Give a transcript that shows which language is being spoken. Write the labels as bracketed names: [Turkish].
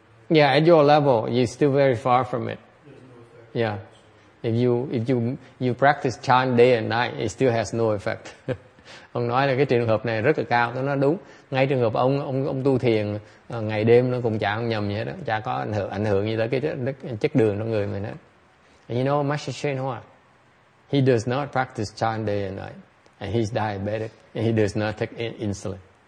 [English] Yeah, at your level, you're still very far from it. Yeah, if you practice chan day and night, it still has no effect. [Vietnamese] Ông nói là cái trường hợp này rất là cao, tôi nói đúng. Ngay trường hợp ông tu thiền ngày đêm nó cũng chẳng nhầm gì hết, chả có ảnh hưởng gì tới cái chất đường trong người mình hết. [English] And you know, Master Shen Hua, he does not practice chan day and night, and he's diabetic, and he does not take insulin.